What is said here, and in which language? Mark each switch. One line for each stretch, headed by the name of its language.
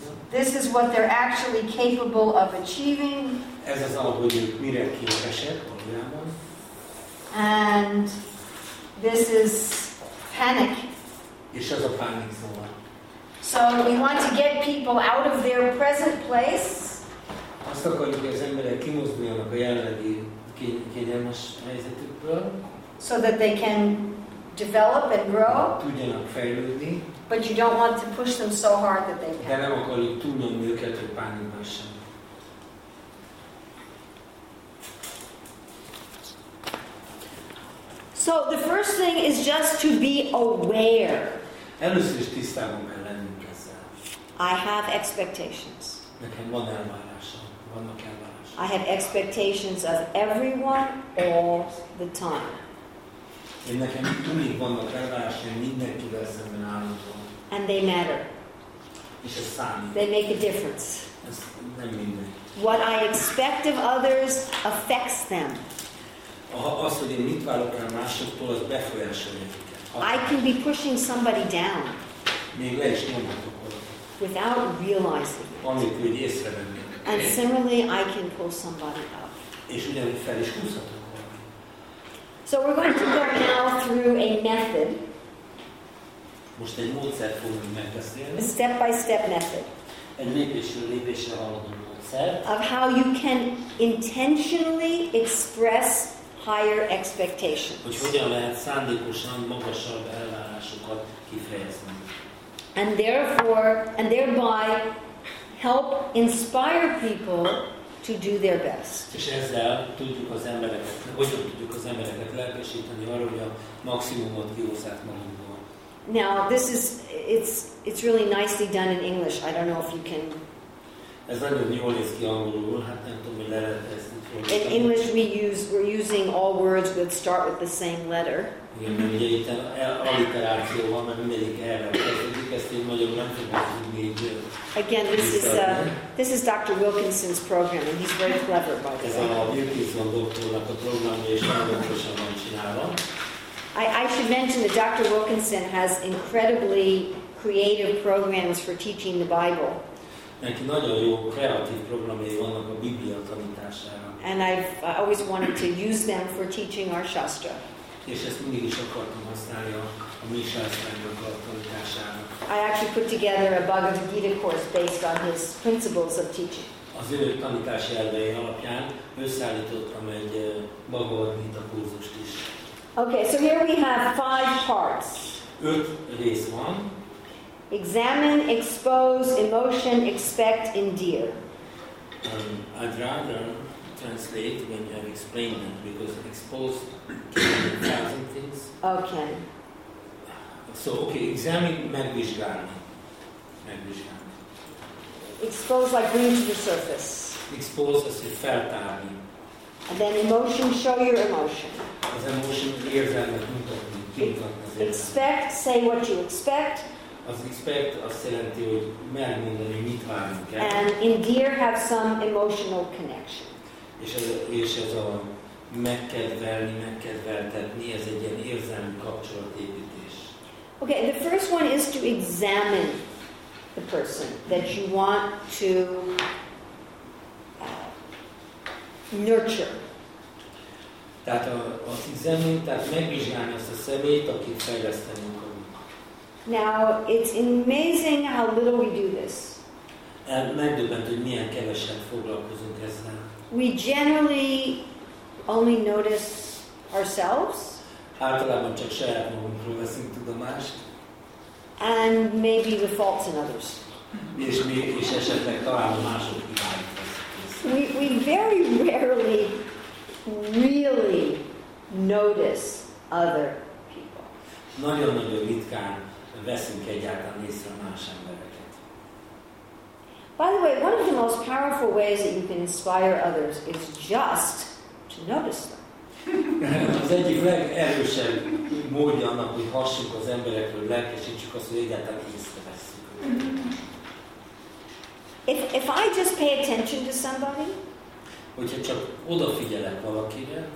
English: This is what they're actually capable of achieving.
Hungarian: Ez az ahol ők mire képesek a világban.
English: And this is panic.
Hungarian: És ez a
English: panic zone. So we want to get people out of their present place.
Hungarian: Azt akarjuk, hogy az emberek kimozduljanak a jelenlegi kényelmes helyzetükből.
English: So that they can develop and grow.
Hungarian: Tudjanak fejlődni.
English: But you don't want to push them so hard that they can't.
Hungarian: De nem akarjuk túlnyomni őket, hogy pánikban sem.
English: So the first thing is just to be aware.
Hungarian: Először is tisztában kell lennünk ezzel.
English: I have expectations.
Hungarian: Nekem van elvárásom, vannak elvárásom.
English: I have expectations of everyone all the time.
Hungarian: Én nekem mindig vannak elvárásom, mindenkivel szemben állítom.
English: And they matter.
Hungarian: És ez számít.
English: They make a difference.
Hungarian: Ez nem minden.
English: What I expect of others affects them.
Hungarian: Az, hogy én mit várok el másoktól, az befolyásolja őket.
English: I can be pushing somebody down.
Hungarian: Még le is nyomhatok oda.
English: Without realizing it.
Hungarian: Anélkül, hogy észrevennék.
English: And similarly, I can pull somebody up.
Hungarian: És ugyanúgy fel is húzhatok oda.
English: So we're going to go now through a method.
Hungarian: Most egy módszert fogunk megbeszélni.
English: A step-by-step method.
Hungarian: Egy lépésről lépésre haladó módszert.
English: Of how you can intentionally express higher expectations.
Hungarian: Hogy hogyan lehet szándékosan magasabb elvárásokat kifejezni.
English: And therefore, and thereby help inspire people to do their best.
Hungarian: És ezzel tudjuk az embereket, hogyan tudjuk az embereket lelkesíteni arra, hogy a maximumot kihozzák magukból.
English: Now, this is it's really nicely done in English. I don't know if you can
Hungarian: Ez nagyon jól néz ki angolul, hát nem tudom, hogy lehet ezt így fordítani.
English: In English we use, we're using all words that start with the same letter.
Hungarian: Igen, mert ugye itt alliteráció van, mert mindegyik erre kezdődik, ezt én magyarul nem fogok tudni így.
English: Again, this is Dr. Wilkinson's program, and he's very clever, by the way.
Hungarian: Ez a Wilkinson doktornak a programja, és nagyon okosan van csinálva.
English: I should mention that Dr. Wilkinson has incredibly creative programs for teaching the Bible.
Hungarian: Neki nagyon jó kreatív programjai vannak a Biblia tanítására.
English: And I've always wanted to use them for teaching our Shastra.
Hungarian: És ezt mindig is akartam használni a mi Shastra-nak a tanítására.
English: I actually put together a Bhagavad Gita course based on his principles of teaching.
Hungarian: Az ő tanítási elvei alapján összeállítottam egy Bhagavad Gita kurzust is.
English: Okay, so here we have five parts.
Hungarian: Öt rész van.
English: Examine, expose, emotion, expect, endear. I'd rather translate when you have explained them, because expose can be thousand things. Okay. So, okay, examine,
Hungarian: megvizsgálni. Megvizsgálni.
English: Expose, like bring to the surface. Expose, as if
Hungarian: feltárni.
English: And then emotion, show your emotion.
Hungarian: Az emotion, érzelmet mutatni, kintatni az érzelmet.
English: Expect, say what you expect.
Hungarian: Az expect azt jelenti, hogy megmondani, mit várunk el.
English: And endear have some emotional connection.
Hungarian: És ez a megkedvelni, megkedveltetni, ez egy ilyen érzelmi kapcsolatépítés.
English: Okay, the first one is to examine the person that you want to nurture.
Hungarian: Tehát az examen, tehát megvizsgálni azt a személyt, akit fejleszteni akarunk.
English: Now, it's amazing how little we do this.
Hungarian: Megdöbbent, hogy milyen keveset foglalkozunk ezzel.
English: We generally only notice ourselves.
Hungarian: Általában csak saját magunkról veszünk tudomást.
English: And maybe the faults in others.
Hungarian: És esetleg talán a mások hibáit.
English: We very rarely really notice other people.
Hungarian: Nagyon-nagyon ritkán veszünk egyáltalán észre a más embereket.
English: By the way, one of the most powerful ways that you can inspire others is just to notice them.
Hungarian: Az egyik legerősebb módja annak, hogy hassunk az emberekről, lelkesítsük azt, hogy egyáltalán észreveszünk.
English: If I just pay attention to somebody,
Hungarian: hogyha csak odafigyelek valakire,